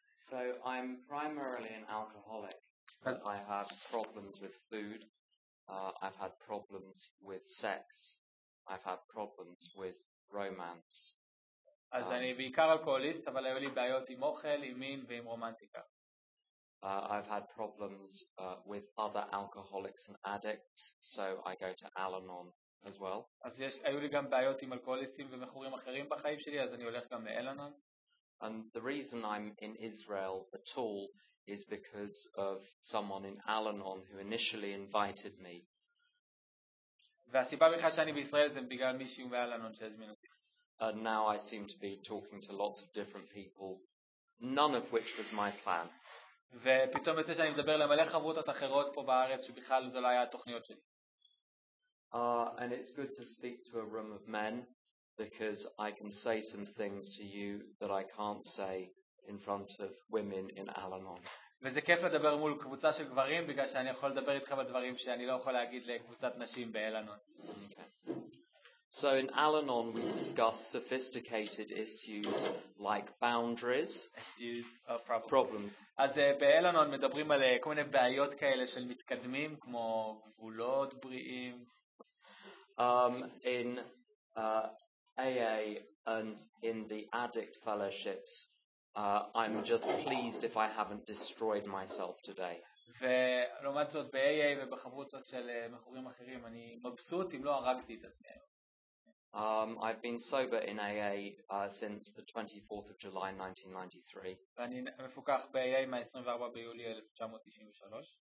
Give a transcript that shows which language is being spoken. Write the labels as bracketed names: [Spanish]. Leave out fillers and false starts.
[English] So I'm primarily an alcoholic. I have problems with food. I've had problems with sex. I've had problems with romance. [Hebrew] אז אני בעיקר אלכוהוליסט, אבל היו לי בעיות עם אוכל, עם מין ועם רומנטיקה. [English] I've had problems with other alcoholics and addicts, so I go to Al-Anon as well. [Hebrew] אז היו לי גם בעיות עם אלכוהוליסטים ומכורים אחרים בחיים שלי, אז אני הולך גם לאל-אנון. [English] And the reason I'm in Israel at all is because of someone in Al-Anon who initially invited me. [Hebrew] והסיבה בכלל שאני בישראל זה בגלל מישהו באל-אנון שהזמין אותי. [English] And now I seem to be talking to lots of different people, none of which was my plan. [Hebrew] ופתאום יוצא שאני מדבר למלא חברותות אחרות פה בארץ שבכלל זה לא היה התוכניות שלי. [English] And it's good to speak to a room of men, because I can say some things to you that I can't say in front of women in Al-Anon. [Hebrew] וזה כיף לדבר מול קבוצה של גברים, בגלל שאני יכול לדבר איתך בדברים שאני לא יכול להגיד לקבוצת נשים באל-אנון. [English] So in Al-Anon we discuss sophisticated issues like boundaries, problems. [Hebrew] אז באל-אנון מדברים על כל מיני בעיות כאלה של מתקדמים, כמו גבולות בריאים. [English] In AA and in the addict fellowships, I'm just pleased if I haven't destroyed myself today. [Hebrew] ולעומת זאת, ב-AA ובחברותות של מכורים אחרים, אני מבסוט אם לא הרגתי את עצמי. [English] I've been sober in AA since the 24th of July 1993. [Hebrew] ואני מפוקח ב-AA מ-24 ביולי 1993.